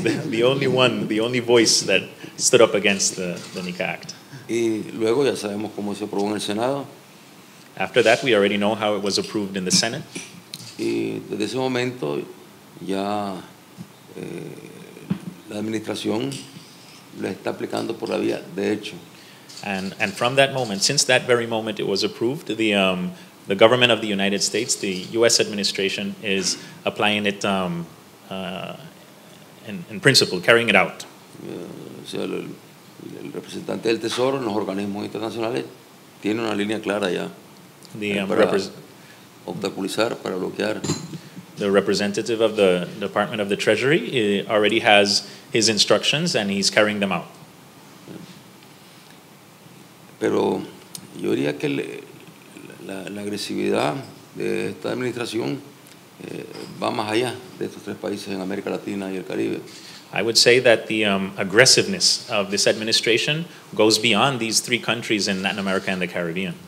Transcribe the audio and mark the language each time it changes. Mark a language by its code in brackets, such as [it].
[en] The only one, the only voice that stood up against the NICA Act. [es] Y luego ya sabemos cómo se aprobó en el Senado. [en] After that, we already know how it was approved in the Senate. [es] Y desde ese momento ya la administración la está aplicando por la vía de hecho. [en] And from that moment, since that very moment it was approved, the government of the United States, the U.S. administration, is applying it in principle, carrying it out. [es] El representante del Tesoro en los organismos internacionales tiene una línea clara ya para obstaculizar, para bloquear. [en] The representative of the Department of the Treasury already has his instructions and he's carrying them out. [es] Pero yo diría que la agresividad de esta administración va más allá de estos tres países en América Latina y el Caribe. [en] I would say that the aggressiveness of this administration goes beyond these three countries in Latin America and the Caribbean.